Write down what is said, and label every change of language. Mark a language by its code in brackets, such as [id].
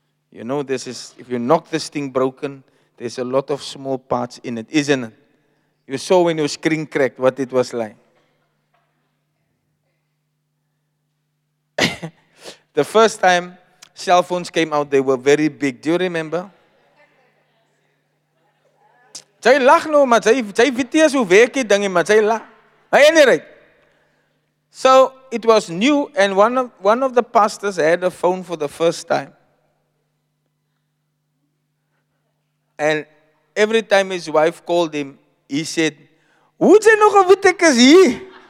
[en] You know, this is, if you knock this thing broken, there's a lot of small parts in it, isn't it? You saw when your screen cracked what it was like. The first time cell phones came out, they were very big. Do you remember? [af] Jy lag nou, maar jy weet nie hoe werk die ding nie, maar jy lag. [en] By any rate. So, it was new, and one of the pastors had a phone for the first time. And every time his wife called him, he said, [af] "Hoe jy nog weet ek is hier?"